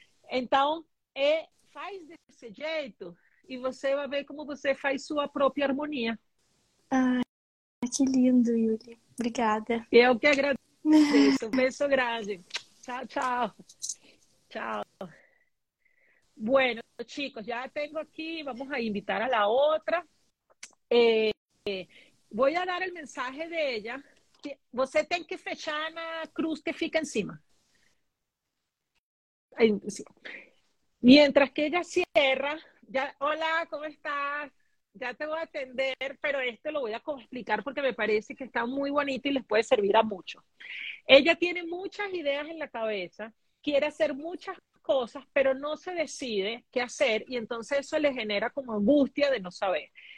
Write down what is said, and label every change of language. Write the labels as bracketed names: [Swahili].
[Portuguese] Então, faz desse jeito e você vai ver como você faz sua própria harmonia. Ai, que lindo, Yuli. Obrigada. Eu que agradeço. Beijo grande. Tchau, tchau. Tchau. [Spanish] Bueno, chicos, [Portuguese] já tenho aqui. [Spanish] Vamos a invitar a la outra. Voy a dar el mensaje de ella. [Portuguese] Que você tem que fechar na cruz que fica em cima. [Spanish] Mientras que ella cierra, ya, hola, ¿cómo estás? Ya te voy a atender, pero esto lo voy a explicar porque me parece que está muy bonito y les puede servir a muchos. Ella tiene muchas ideas en la cabeza, quiere hacer muchas cosas, pero no se decide qué hacer y entonces eso le genera como angustia de no saber.